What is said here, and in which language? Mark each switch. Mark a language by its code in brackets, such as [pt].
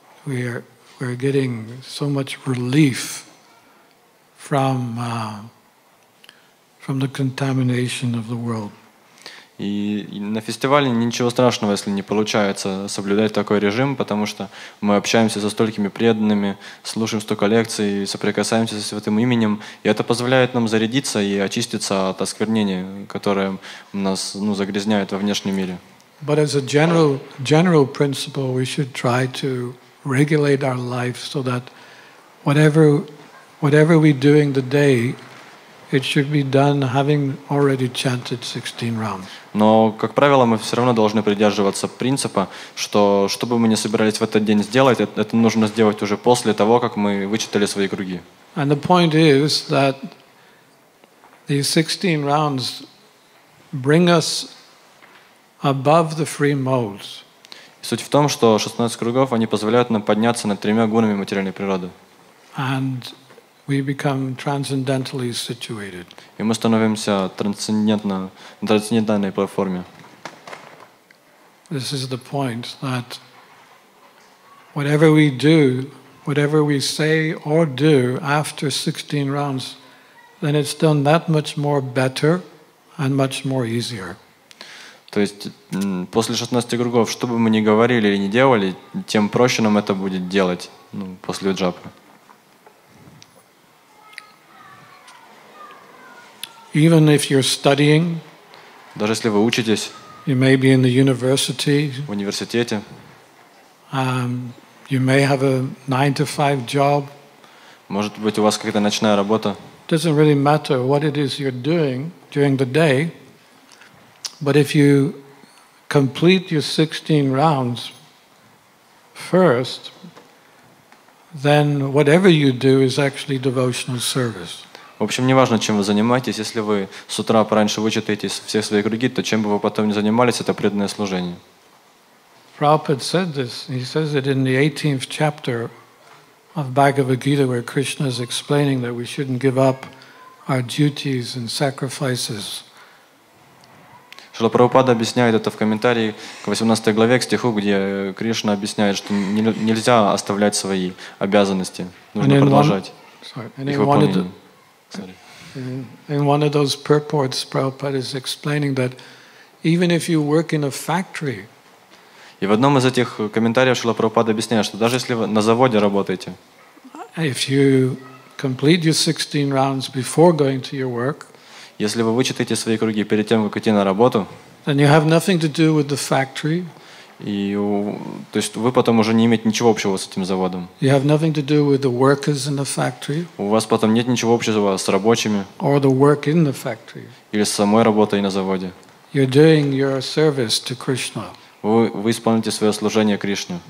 [en] We're getting so much relief from the contamination of the world. [ru] И на фестивале ничего страшного, если не получается соблюдать такой режим, потому что мы общаемся со столькими преданными, слушаем столько лекций, соприкасаемся со святым именем, и это позволяет нам зарядиться и очиститься от осквернения, которое нас, ну, загрязняет во внешнем мире. [en] But as a general principle, we should try to regulate our life so that whatever we're doing the day, it should be done having already chanted 16 rounds. [ru] Но, как правило, мы все равно должны придерживаться принципа, что что бы мы ни собирались в этот день сделать, это нужно сделать уже после того, как мы вычитали свои круги. [en] And the point is that these 16 rounds bring us above the three modes. [ru] Суть в том, что 16 кругов, они позволяют нам подняться над тремя гунами материальной природы. [en] And we become transcendentally situated. [ru] И мы становимся трансцендентно, на трансцендентальной платформе. [en] This is the point that whatever we do, whatever we say or do after 16 rounds, then it's done that much more better and much more easier. [ru] То есть после 16 кругов, что бы мы ни говорили или ни делали, тем проще нам это будет делать, ну, после джапы. [en] Even if you're studying, [ru] даже если вы учитесь, [en] you may be in the university, [ru] в университете, [en] you may have a 9-to-5 job, [ru] может быть, у вас какая-то ночная работа. [en] It doesn't really matter what it is you're doing during the day. But if you complete your 16 rounds first, then whatever you do is actually devotional service. [ru] В общем, не важно, чем вы занимаетесь, если вы с утра пораньше вычитаете все свои круги, то чем бы вы потом ни занимались, это преданное служение. [en] Prabhupada said this. He says it in the 18th chapter of Bhagavad Gita, where Krishna is explaining that we shouldn't give up our duties and sacrifices. [ru] Шрила Прабхупада объясняет это в комментарии к 18 главе, к стиху, где Кришна объясняет, что нельзя оставлять свои обязанности. Нужно продолжать. [en] In one of those purports, Prabhupada is explaining that even if you work in a factory, [ru] и в одном из этих комментариев Шрила Прабхупада объясняет, что даже если вы на заводе работаете, [en] if you complete your 16 rounds before going to your work, [ru] если вы вычитаете свои круги перед тем, как идти на работу, [en] then you have nothing to do with the factory. [ru] И, то есть вы потом уже не имеете ничего общего с этим заводом. [en] You have nothing to do with the workers in the factory. [ru] У вас потом нет ничего общего с рабочими. [en] Or the work in the factory. [ru] Или с самой работой на заводе. [en] You're doing your service to Krishna. [ru] Вы исполните свое служение Кришне.